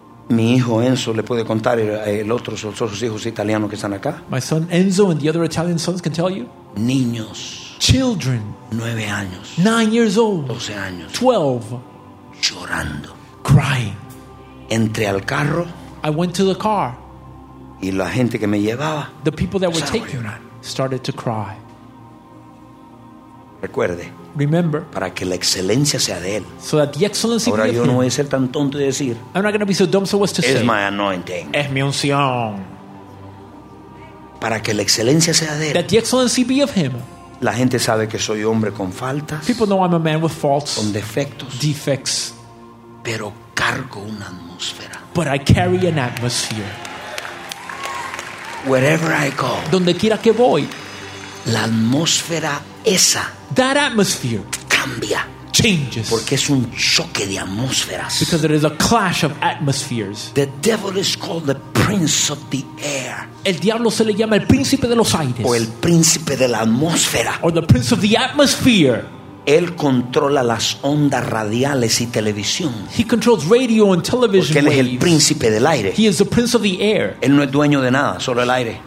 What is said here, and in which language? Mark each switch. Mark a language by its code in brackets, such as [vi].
[es] Mi hijo Enzo le puede contar el otro, los otros hijos italianos que están acá. [en] My son Enzo and the other Italian sons can tell you. [es] Niños. [en] Children. [es] 9 años. [en] 9 years old. [es] 12 años. [en] 12. [es] Llorando. [en] Crying. [es] Entré al carro. [en] I went to the car. [es] Y la gente que me llevaba. [en] The people that were taking me started to cry. [es] Recuerde. [en] Remember. [es] Para que la excelencia sea de él. [en] So that the excellency [es] ahora [en] be [es] yo no voy a ser tan tonto de decir. [en] I'm not going to be so dumb so as to [es] es [en] say. Es my anointing. [es] Es mi unción. Para que la excelencia sea de él. [en] That the excellency be of him. [es] La gente sabe que soy hombre con faltas. [en] People know I'm a man with faults. [es] Con defectos. [en] Defects. [es] Pero cargo una atmósfera. [en] But I carry an atmosphere. Wherever I go. [es] Donde quiera que voy. La atmósfera esa. [en] That atmosphere [es] cambia, [en] changes, [es] porque es un choque de atmósferas. [en] Because it is a clash of atmospheres. The devil is called the prince of the air. [es] El diablo se le llama el príncipe de los aires. O el príncipe de la atmósfera. [en] Or the prince of the atmosphere. [es] Él controla las ondas radiales y televisión. [en] He controls radio and television. [es] Porque él es el príncipe del aire. [en] He is the prince of the air. [es] Él no es dueño de nada, solo el aire.